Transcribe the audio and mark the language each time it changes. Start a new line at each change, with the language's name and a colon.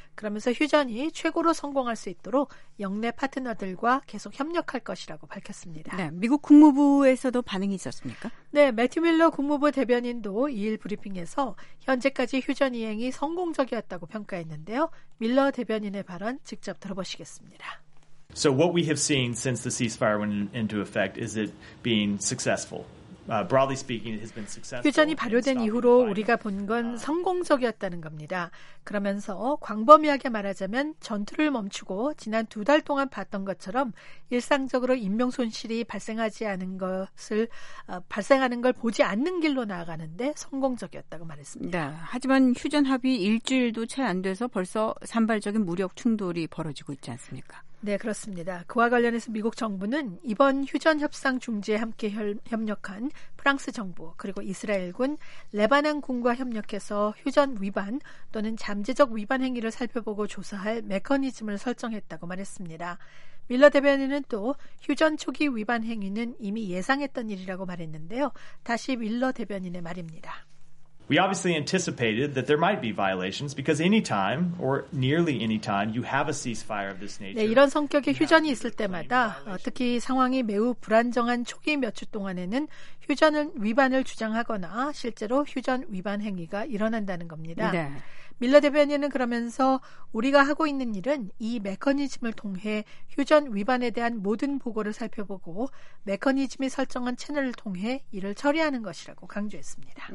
Korean: 그러면서 휴전이 최고로 성공할 수 있도록 영내 파트너들과 계속 협력할 것이라고 밝혔습니다. 네, 미국 국무부에서도 반응이 있었습니까? 네, 매튜 밀러 국무부 대변인도 이일 브리핑에서 현재까지 휴전 이행이 성공적이었다고 평가했는데요. 밀러 대변인의 발언 직접 들어보시겠습니다.
English: So what we have seen since the ceasefire went into effect is it being successful. Broadly speaking, it has been successful.
Korean: 휴전이 발효된 이후로 우리가 본 건 성공적이었다는 겁니다. 그러면서 광범위하게 말하자면 전투를 멈추고 지난 두 달 동안 봤던 것처럼 일상적으로 인명 손실이 발생하지 않은 것을 발생하는 걸 보지 않는 길로 나아가는데 성공적이었다고 말했습니다. 네, 하지만 휴전 합의 일주일도 채 안 돼서 벌써 산발적인 무력 충돌이 벌어지고 있지 않습니까? 네, 그렇습니다. 그와 관련해서 미국 정부는 이번 휴전 협상 중재에 함께 협력한 프랑스 정부 그리고 이스라엘군, 레바논 군과 협력해서 휴전 위반 또는 잠재적 위반 행위를 살펴보고 조사할 메커니즘을 설정했다고 말했습니다. 밀러 대변인은 또 휴전 초기 위반 행위는 이미 예상했던 일이라고 말했는데요. 다시 밀러 대변인의 말입니다.
English: We obviously anticipated that there might be violations because any time or nearly any time you have a ceasefire of this nature.
Korean: 네, 이런 성격의 휴전이 있을 때마다 특히 상황이 매우 불안정한 초기 몇 주 동안에는 휴전을 위반을 주장하거나 실제로 휴전 위반 행위가 일어난다는 겁니다. 네. 밀러 대변인은 그러면서 우리가 하고 있는 일은 이 메커니즘을 통해 휴전 위반에 대한 모든 보고를 살펴보고 메커니즘이 설정한 채널을 통해 이를 처리하는 것이라고 강조했습니다.